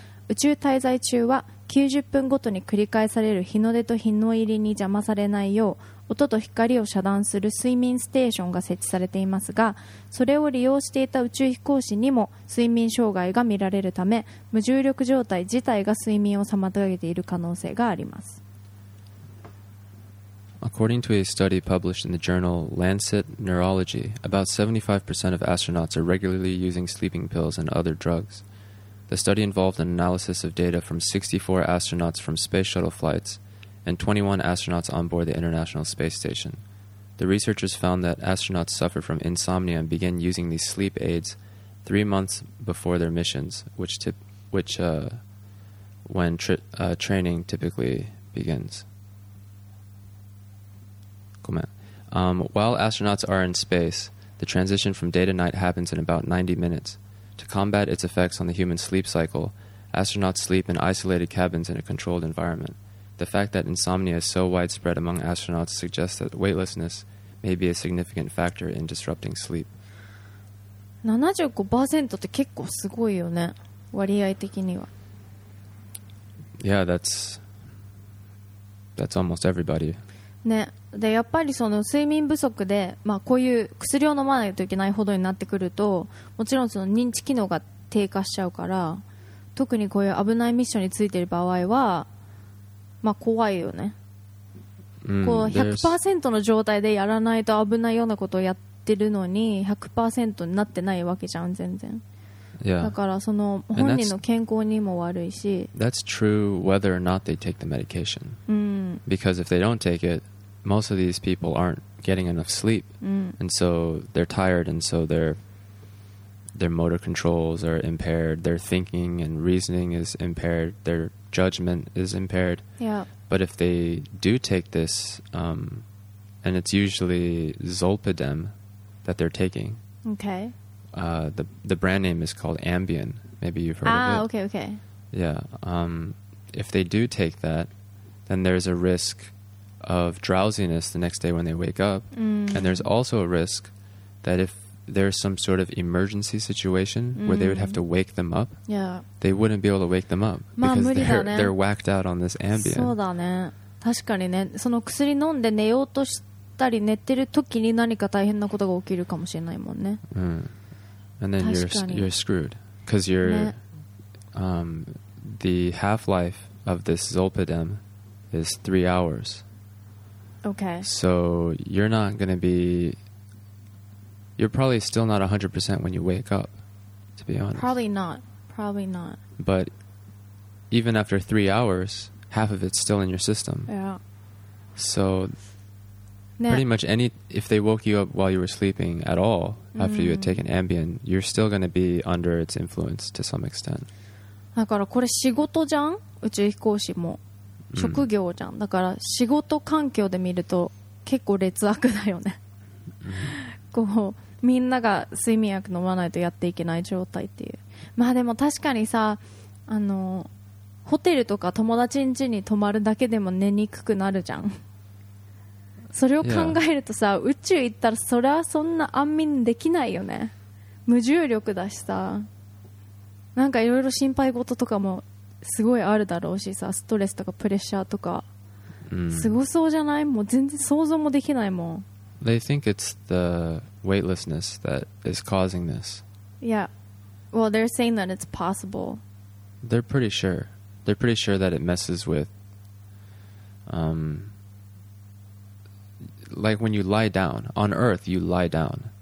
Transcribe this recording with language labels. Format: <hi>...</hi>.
<ja>宇宙滞在中は90分ごとに繰り返される日の出と日の入りに邪魔されないよう音と光を遮断する睡眠ステーションが設置されていますが、それを利用していた宇宙飛行士にも睡眠障害が見られるため、無重力状態自体が睡眠を妨げている可能性があります。</ja> <en>According to a study published in the journal Lancet Neurology, about 75% of astronauts are regularly using sleeping pills and other drugs. The study involved an analysis of data from 64 astronauts from space shuttle flightsand 21 astronauts on board the International Space Station. The researchers found that astronauts suffer from insomnia and begin using these sleep aids 3 months before their missions, when training typically begins. While astronauts are in space, the transition from day to night happens in about 90 minutes. To combat its effects on the human sleep cycle, astronauts sleep in isolated cabins in a controlled environment. The fact that insomnia is so widespread among astronauts suggests that weightlessness may be a significant factor in disrupting sleep.</en> <ja>75% って結構すごいよね、割合的には。</ja> <en>Yeah, that's almost everybody.</en> <ja>ね、でやっぱりその睡眠不足で、まあ、こういう薬を飲まないといけないほどになってくると、もちろんその認知機能が低下しちゃうから、特にこういう危ないミッションについている場合は、まあ、怖いよね、こう 100% の状態でやらないと危ないようなことをやってるのに 100% になってないわけじゃん、全然、</ja> <en>yeah.</en> <ja>だからその本人の健康にも悪いし、</ja> <en>that's true whether or not they take the medication、because if they don't take it, most of these people aren't getting enough sleep、and so they're tired, and so their motor controls are impaired, their thinking and reasoning is impaired, their judgment is impaired. Yeah. But if they do take this, and it's usually Zolpidem that they're taking. Okay. The brand name is called Ambien. Maybe you've heard of it. Okay. Yeah. If they do take that, then there's a risk of drowsiness the next day when they wake up. Mm. And there's also a risk that if there's some sort of emergency situation where they would have to wake them up, they wouldn't be able to wake them up because they're whacked out on this Ambien.</en> <ja>そうだね。確かにね。その薬飲んで寝ようとしたり寝てる時に何か大変なことが起きるかもしれないもんね。</ja> <en>And then you're screwed because you're the half-life of this Zolpidem is 3 hours. Okay. So you're not going to be... You're probably still not 100% when you wake up, to be honest. Probably not. But even after 3 hours, half of it's still in your system. Yeah. So pretty much if they woke you up while you were sleeping at all, after you had taken Ambien, you're still going to be under its influence to some extent.</en> <ja>だからこれ仕事じゃん、宇宙飛行士も職業じゃん、だから仕事環境で見ると結構劣悪だよね。こうみんなが睡眠薬飲まないとやっていけない状態っていう。まあでも確かにさ、あのホテルとか友達ん家に泊まるだけでも寝にくくなるじゃん。それを考えるとさ、宇宙行ったらそれはそんな安眠できないよね。無重力だしさ、なんかいろいろ心配事とかもすごいあるだろうしさ、ストレスとかプレッシャーとか、すごそうじゃない？もう全然想像もできないもん。</ja> <en>They think it's the weightlessness that is causing this. Yeah. Well, they're saying that it's possible. They're pretty sure. They're pretty sure that it messes with... like when you lie down. On Earth, you lie down.</en>